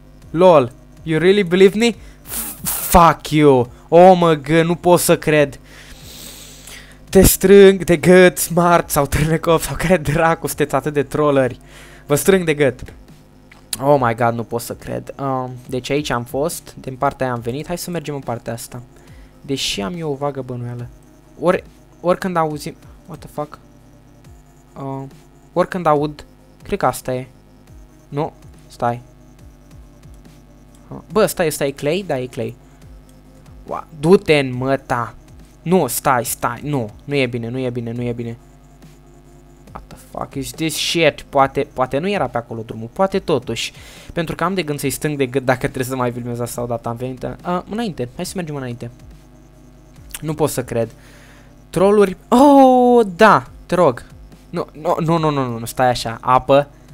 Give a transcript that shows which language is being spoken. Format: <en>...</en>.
<en>Lol, you really believe me? Fuck you. Oh my god,</en> <ro>nu pot să cred. Te strâng de gât, Smart sau Ternăcop sau care dracu, sunteți atât de trolleri. Vă strâng de gât.</ro> <en>Oh my god,</en> <ro>nu pot să cred. Deci aici am fost, din partea aia am venit, hai să mergem în partea asta. Deși am eu o vagă bănuială. Oricând auzim...</ro> <en>What the fuck?</en> <ro>Oricând aud... Cred că asta e. Nu? Stai. Bă, stai, e clay? Da, e clay. Du-te în măta! Nu, stai, nu e bine.</ro> <en>What the fuck is this shit?</en> <ro>Poate nu era pe acolo drumul, poate totuși. Pentru că am de gând să-i stâng de gât dacă trebuie să mai filmez asta odată. Am venit înainte, hai să mergem înainte. Nu pot să cred. Trolluri, oh, da, te rog. Nu, stai așa, apă.</ro>